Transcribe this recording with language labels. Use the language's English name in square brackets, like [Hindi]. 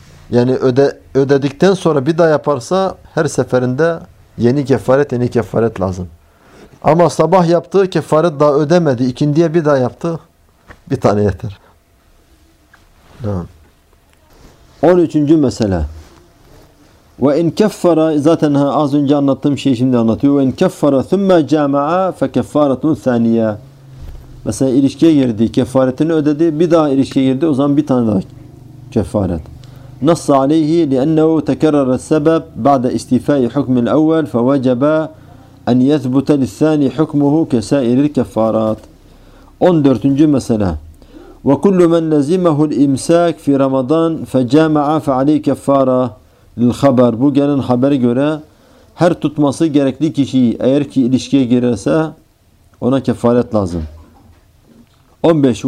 [Turkish] Yani ödedikten sonra bir daha yaparsa her seferinde yeni kefaret lazım. Ama sabah yaptığı kefaret daha ödemedi. İkindiye bir daha yaptı. Bir tane yeter. Tamam. 13. mesele. [Arabic] وَاِنْ كَفَّرَ [Turkish] Zaten az önce anlattığım şeyi şimdi anlatıyor. [Arabic] وَاِنْ كَفَّرَ ثُمَّ جَامَعَ فَكَفَّارَةٌ ثَانِيَ [Turkish] Mesela ilişkiye girdi. Kefaretini ödedi. Bir daha ilişkiye girdi. O zaman bir tane daha kefaret. [Arabic] نص عليه لأنه تكرر السبب بعد استيفاء حكم الأول فوجب أن يثبت للثاني حكمه كسائر الكفارات 14. مسألة وكل من لزمه الإمساك في رمضان فجامع فعليه كفارة للخبر [Turkish] bu gelen haber göre her tutması gerekli kişi eğer ki ilişkiye girerse ona kefaret lazım 15.